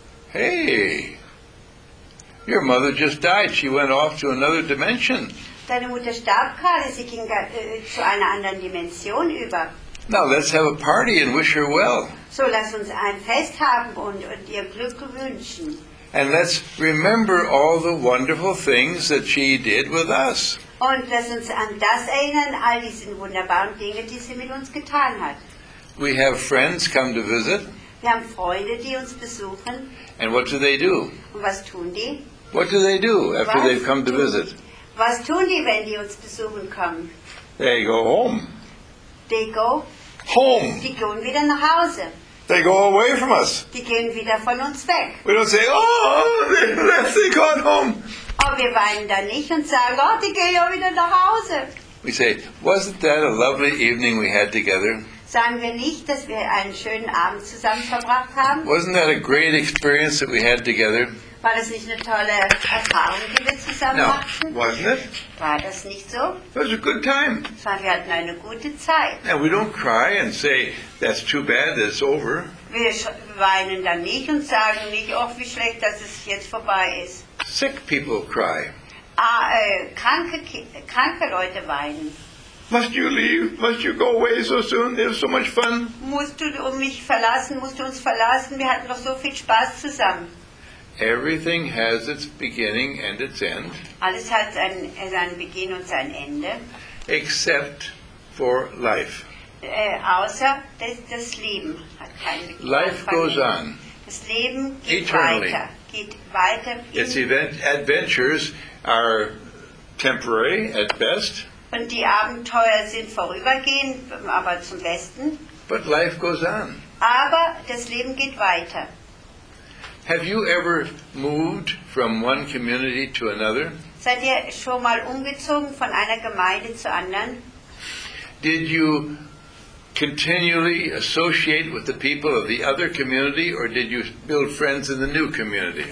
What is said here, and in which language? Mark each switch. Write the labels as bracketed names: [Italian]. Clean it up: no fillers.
[English] Hey, your mother just died. She went off to another dimension. [German] Deine Mutter starb gerade. Sie ging zu einer anderen Dimension über. [English] Now let's have a party and wish her well. [German] So lass uns ein Fest haben und ihr Glück wünschen. [English] And let's remember all the wonderful things that she did with us. [German] Und lass uns an das erinnern, all diese wunderbaren Dinge, die sie mit uns getan hat. [English] We have friends come to visit. [German] Wir haben Freunde, die uns besuchen. [English] And what do they do? [German] Und was tun die? [English] What do they do after they've come to visit? [German] Was tun die, wenn die uns besuchen kommen? [English] They go home. They go home. [German] Die gehen wieder nach Hause. [English] They go away from us. [German] Die gehen wieder von uns weg. [English] We don't say, oh, they gone home. [German] Aber wir weinen da nicht und sagen, oh, die gehen ja wieder nach Hause. [English] We say, wasn't that a lovely evening we had together? [German] Sagen wir nicht, dass wir einen schönen Abend zusammen verbracht haben? [English] Wasn't that a great experience that we had together? [German] War das nicht eine tolle Erfahrung, die wir zusammen no, machten? [English] Wasn't it? [German] War das nicht so? [English] It was a good time. [German] Wir hatten eine gute Zeit. [English] Now we don't cry and say, that's too bad, that it's over. [German] Wir weinen dann nicht und sagen nicht, oh, wie schlecht, dass es jetzt vorbei ist. [English] Sick people cry. [German] Kranke Leute weinen. [English] Must you leave? Must you go away so soon? There's so much fun. [German] Musst du mich verlassen? Musst du uns verlassen? Wir hatten noch so viel Spaß zusammen. [English] Everything has its beginning and its end. [German] Alles hat sein Beginn und sein Ende. [English] Except for life. [German] Außer das Leben hat kein Beginn. [English] Life goes on. [German] Das Leben geht [English] eternally. [German] Weiter. Geht weiter. [English] Its adventures are temporary at best. [German] Und die Abenteuer sind vorübergehend, aber zum Besten. [English] But life goes on. [German] Aber das Leben geht weiter. [English] Have you ever moved from one community to another? [German] Seid ihr schon mal umgezogen von einer Gemeinde zu anderen? [English] Did you continually associate with the people of the other community, or did you build friends in the new community?